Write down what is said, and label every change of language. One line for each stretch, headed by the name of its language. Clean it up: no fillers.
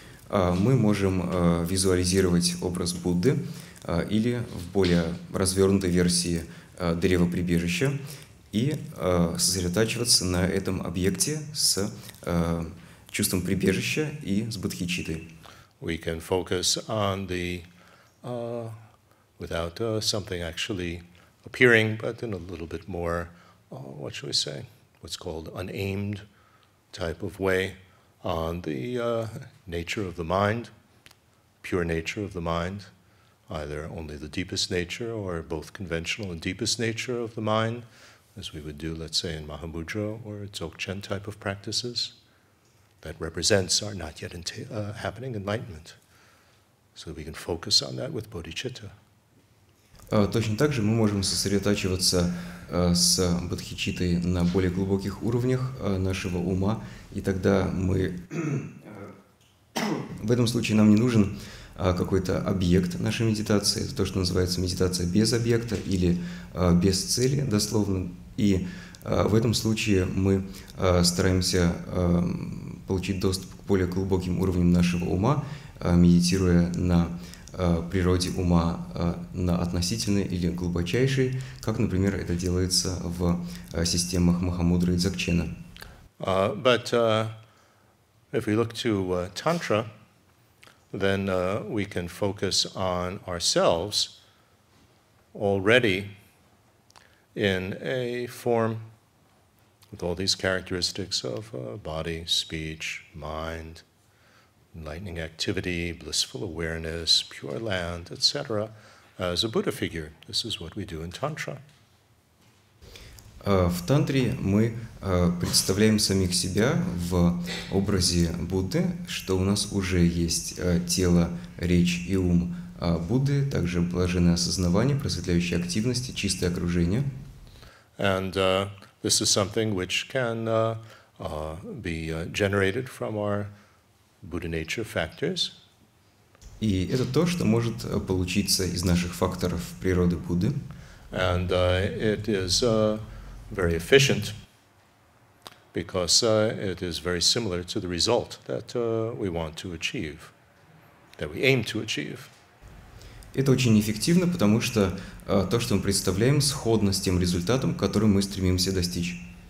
Russian: Мы можем визуализировать образ Будды или в более развернутой версии древо-прибежища и сосредотачиваться на этом объекте с чувством прибежища и с бодхичиттой.
English: We can focus on the without something actually appearing, but in a little bit more what should we say? What's called an aimed type of way on the nature of the mind, pure nature of the mind, either only the deepest nature or both conventional and deepest nature of the mind, as we would do, let's say, in Mahamudra or Dzogchen type of practices, that represents our not yet happening enlightenment. So we can focus on that with bodhicitta.
Russian: Точно так же мы можем сосредотачиваться с бодхичиттой на более глубоких уровнях нашего ума, и тогда мы в этом случае нам не нужен какой-то объект нашей медитации, это то, что называется медитация без объекта или без цели дословно, и в этом случае мы стараемся получить доступ к более глубоким уровням нашего ума, медитируя на природе ума на относительной или глубочайшей, как, например, это делается в системах Махамудры и Дзогчена.
English: But if we look to Tantra, then we can focus on ourselves already in a form with all these characteristics of body, speech, mind, enlightening activity, blissful awareness, pure land, etc., as a Buddha figure. This is what we do in Tantra.
Russian: В тантре мы представляем самих себя в образе Будды, что у нас уже есть тело, речь и ум Будды, также блаженное осознавание, просветляющая активность, чистое окружение.
English: And this is something which can be generated from our Buddha nature factors.
Russian: И это то, что может получиться из наших факторов природы Будды.
English: And it is very efficient because it is very similar to the result that we want to achieve, that we aim to achieve.
Russian: Это очень эффективно, потому что то, что мы представляем, сходно с тем результатом, который мы стремимся достичь.